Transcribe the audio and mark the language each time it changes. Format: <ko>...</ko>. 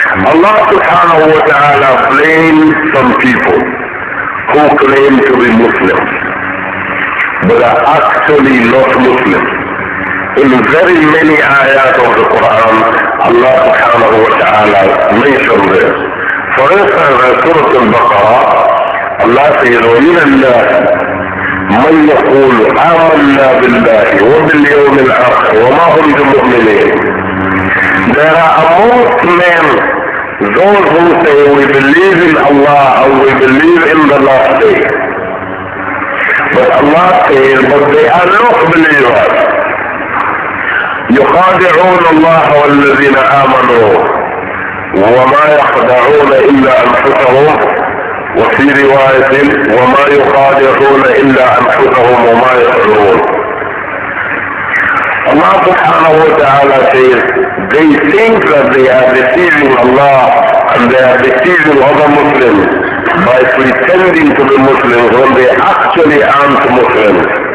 <en>Allah subhanahu wa ta'ala blamed some people who claim to be Muslims but are actually not Muslims. In very many ayat of the Quran, Allah subhanahu wa ta'ala mentioned this. For instance, in Surah Al-Baqarah, Allah says,</en> <ar>وَمِنَ النَّاسِ مَنْ يَقُولُ آمَنَّا بِاللَّهِ وَبِالْيَوْمِ الْآخِرِ وَمَا هُمْ بِمُؤْمِنِينَ.</ar> <en>There are amongst men those who say, we believe in Allah and we believe in the last day. But Allah says, but they are not believers.</en> <ar>يخادعون الله والذين آمنوا وما يخدعون إلا أنفسهم, وفي رواية وما يخادعون إلا أنفسهم وما يخدعون.</ar> <en>Allah subhanahu wa ta'ala says, they think that they are deceiving Allah and they are deceiving other Muslims by pretending to be Muslims when they actually aren't Muslims.</en>